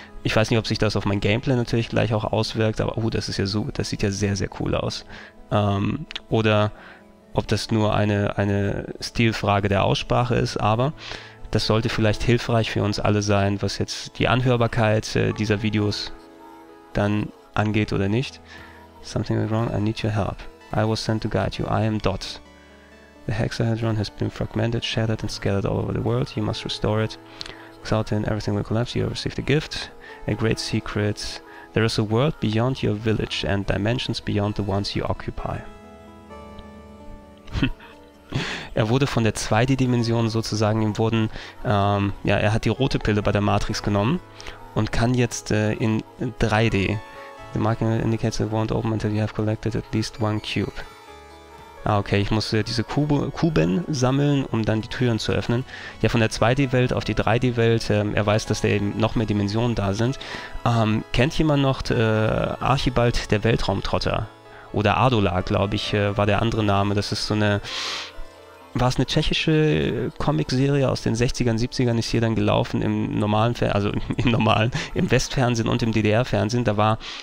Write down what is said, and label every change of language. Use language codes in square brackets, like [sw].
[de] Ich weiß nicht, ob sich das auf mein Gameplay natürlich gleich auch auswirkt, aber oh, das ist ja so, das sieht ja sehr, sehr cool aus. Oder ob das nur eine Stilfrage der Aussprache ist, aber das sollte vielleicht hilfreich für uns alle sein, was jetzt die Anhörbarkeit dieser Videos dann angeht oder nicht. [en] Something went wrong, I need your help. I was sent to guide you, I am Dot. The hexahedron has been fragmented, shattered and scattered all over the world. You must restore it. Without it, everything will collapse. You have received a gift. A great secret. There is a world beyond your village and dimensions beyond the ones you occupy. [de] Er wurde von der 2D-Dimension sozusagen, ihm wurden, ja, er hat die rote Pille bei der Matrix genommen und kann jetzt in 3D. [en] The marking indicates it won't open until you have collected at least one cube. [de] Ah, okay, ich muss diese Kuben sammeln, um dann die Türen zu öffnen. Ja, von der 2D-Welt auf die 3D-Welt, er weiß, dass da eben noch mehr Dimensionen da sind. Kennt jemand noch Archibald der Weltraumtrotter? Oder Adola, glaube ich, war der andere Name. Das ist so eine. War es eine tschechische Comicserie aus den 60ern, 70ern, ist hier dann gelaufen im normalen, also im normalen, im Westfernsehen und im DDR-Fernsehen. Da war